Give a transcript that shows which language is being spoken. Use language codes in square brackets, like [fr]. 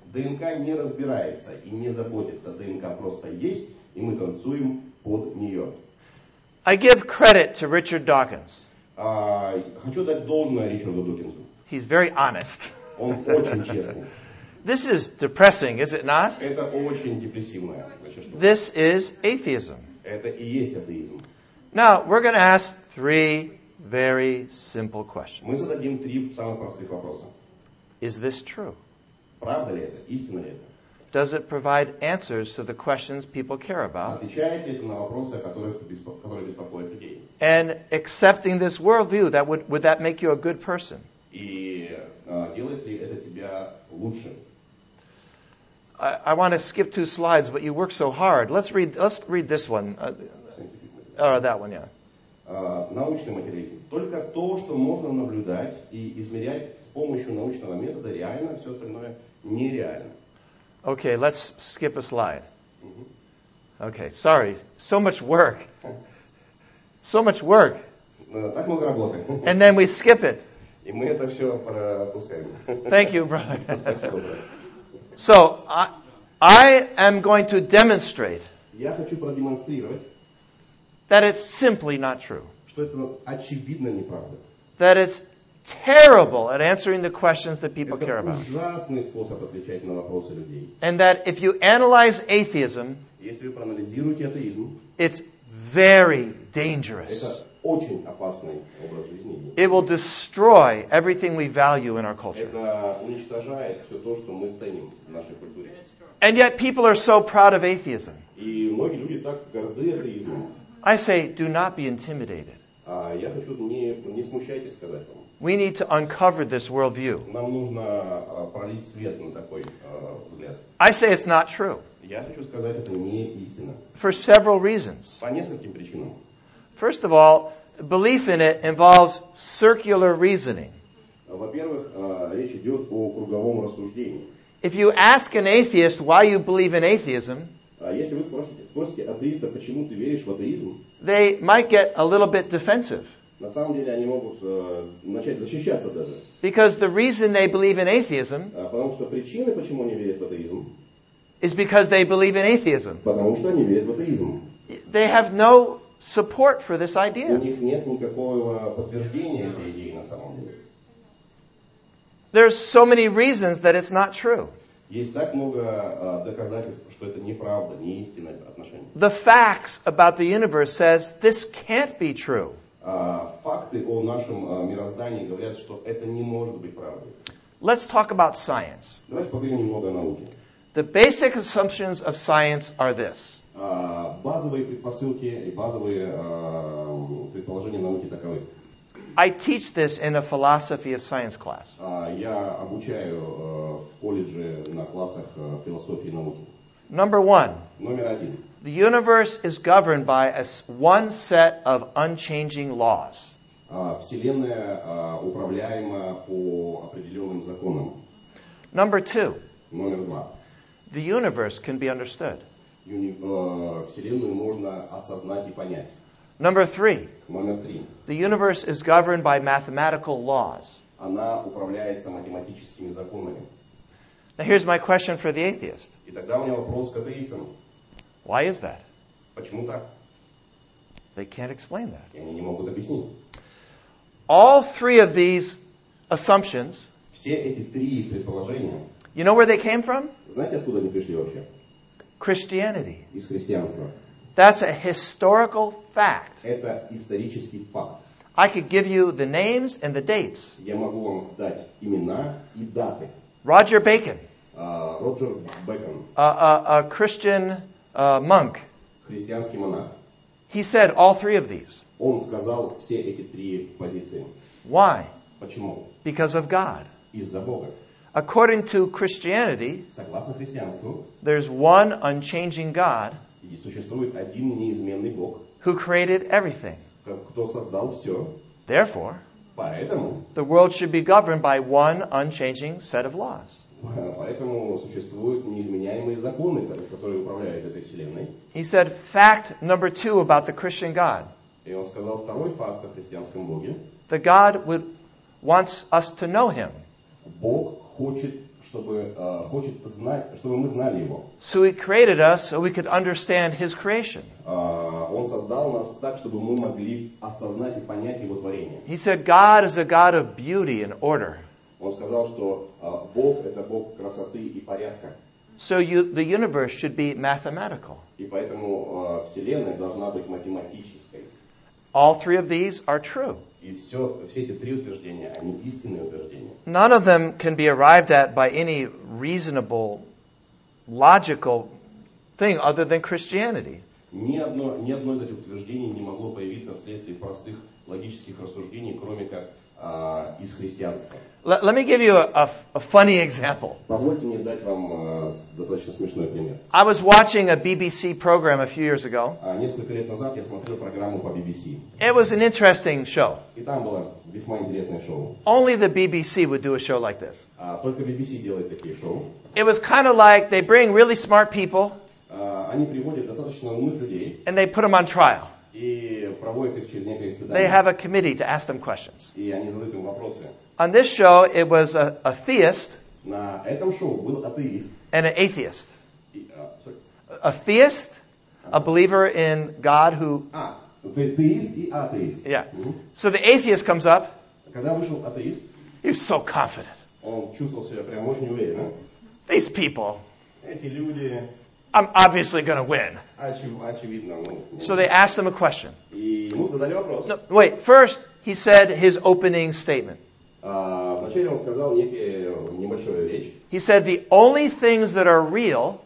[ru] ДНК не разбирается и не заботится. ДНК просто есть, и мы танцуем под нее. [en] I give credit to Richard Dawkins. [ru] Хочу дать должное Ричарду Докинсу. [en] He's very honest. [ru] Он очень честный. [en] This is depressing, is it not? [ru] Это очень депрессивное. [en] This is atheism. [ru] Это и есть атеизм. [en] Now, we're going to ask three very simple questions. [ru] Мы зададим три самых простых вопроса. [en] Is this true? [ru] Правда ли это? Истинно ли это? [en] Does it provide answers to the questions people care about? [ru] Отвечает ли это на вопросы, которые беспокоят людей? [en] And accepting this worldview, that would that make you a good person? [ru] И делает ли это тебя лучше? [en] I want to skip two slides, but you work so hard. Let's read this one. That one, yeah. [ru] Научный материализм. Только то, что можно наблюдать и измерять с помощью научного метода, реально, все остальное нереально. [en] Okay, let's skip a slide. Mm-hmm. Okay, sorry. So much work. So much work. [ru] Так много работы. [en] And then we skip it. [ru] И мы это все пропускаем. [en] Thank you, brother. [ru] Спасибо, брат. [en] So, I am going to demonstrate [ru] я хочу продемонстрировать, [en] that it's simply not true. [ru] Что это очевидно неправда. [en] That it's terrible at answering the questions that people [ru] это [en] care about. [ru] Ужасный способ отвечать на вопросы людей. [en] And that if you analyze atheism, [ru] если вы проанализируете атеизм, [en] it's very dangerous. [ru] Это очень опасный образ жизни. [en] It will destroy everything we value in our culture. [ru] Это уничтожает все то, что мы ценим в нашей культуре. [en] And yet people are so proud of atheism. [ru] И многие люди так горды атеизмом. [en] I say, do not be intimidated. [ru] Я хочу не смущайтесь сказать вам. [en] We need to uncover this worldview. [ru] Нам нужно пролить свет на такой взгляд. [en] I say it's not true. [ru] Я хочу сказать, это не истина. [en] For several reasons. [ru] По нескольким причинам. [en] First of all, belief in it involves circular reasoning. [ru] Во-первых, речь идет о круговом рассуждении. [en] If you ask an atheist why you believe in atheism, [ru] если вы спросите атеиста, почему ты веришь в атеизм, [en] they might get a little bit defensive. [ru] На самом деле они могут начать защищаться даже. [en] Because the reason they believe in atheism, [ru] потому что причина, почему они верят в атеизм, [en] is because they believe in atheism. [ru] Потому что они верят в атеизм. [en] They have no support for this idea. [ru] У них нет никакого подтверждения этой идеи на самом деле. [en] There's so many reasons that it's not true. [ru] Есть так много доказательств, что это неправда, не истинное отношение. [en] The facts about the universe says this can't be true. [ru] Факты о нашем мироздании говорят, что это не может быть правдой. [en] Let's talk about science. [ru] Давайте поговорим немного о науке. [en] The basic assumptions of science are this. [ru] Базовые предпосылки и базовые предположения науки таковы. [en] I teach this in a philosophy of science class. [ru] Я обучаю в колледже на классах философии и науки. [en] Number one. [ru] Номер один. [en] The universe is governed by one set of unchanging laws. [ru] Вселенная управляема по определенным законам. [en] Number two. [ru] Номер два. [en] The universe can be understood. [ru] Вселенную можно осознать и понять. [en] Number three. [ru] Номер три. [en] The universe is governed by mathematical laws. [ru] Она управляется математическими законами. [en] Now here's my question for the atheist. [ru] И тогда у меня вопрос к атеистам. [en] Why is that? [ru] Почему так? [en] They can't explain that. [ru] И они не могут объяснить. [en] All three of these assumptions. [ru] Все эти три предположения. [en] You know where they came from? [ru] Знаете, откуда они пришли вообще? [en] Christianity. [ru] Из христианства. [en] That's a historical fact. [ru] Это исторический факт. [en] I could give you the names and the dates. [ru] Я могу вам дать имена и даты. [en] Roger Bacon. [ru] Roger Bacon. [en] A Christian monk. [ru] Христианский монах. [en] He said all three of these. [ru] Он сказал все эти три позиции. [en] Why? [ru] Почему? [en] Because of God. [ru] Из-за Бога. [en] According to Christianity, [ru] согласно христианству, [en] there's one unchanging God. [ru] И существует один неизменный Бог, [en] who created everything. [ru] Кто создал все. [en] Therefore, [ru] поэтому, [en] the world should be governed by one unchanging set of laws. [ru] Поэтому существуют неизменяемые законы, которые управляют этой вселенной. [en] He said fact number two about the Christian God. [ru] И он сказал второй факт о христианском Боге. [en] The God wants us to know him. [ru] Бог хочет хочет знать, чтобы мы знали его. [en] So he created us so we could understand his creation. [ru] Он создал нас так, чтобы мы могли осознать и понять его творение. [en] He said God is a God of beauty and order. [ru] Он сказал, что Бог это Бог красоты и порядка. [en] So the universe should be mathematical. [ru] И поэтому вселенная должна быть математической. [en] All three of these are true. [ru] И все эти три утверждения, они истинные утверждения. [en] None of them can be arrived at by any reasonable, logical thing other than Christianity. [ru] Ни одно из этих утверждений не могло появиться вследствие простых логических рассуждений, кроме как из христианства. [en] Let me give you a funny example. [ru] Позвольте мне дать вам достаточно смешной пример. [en] I was watching a BBC program a few years ago. [ru] Несколько лет назад я смотрел программу по BBC. [en] It was an interesting show. [ru] И там было весьма интересное шоу. [en] Only the BBC would do a show like this. [ru] Только BBC делает такие шоу. [en] It was kind of like they bring really smart people. [ru] Они приводят достаточно умных людей. [en] And they put them on trial. [ru] И проводят их через некое испытание. [en] They have a committee to ask them questions. [ru] И они задают им вопросы. [en] On this show, it was a theist. [ru] На этом шоу был атеист. [en] And an atheist. Sorry. A theist, a believer in God who... The theist и atheist. Yeah. Mm-hmm. So the atheist comes up. [ru] Когда вышел атеист. [en] He was so confident. [ru] Он чувствовал себя прям очень уверенно. [en] These people. [ru] Эти люди... [en] I'm obviously going to win. [ru] Очевидно, мы... [en] So they asked him a question. [ru] И ему задали вопрос. [en] No, wait, first he said his opening statement. [ru] Вначале он сказал некую небольшую речь. [en] He said the only things that are real.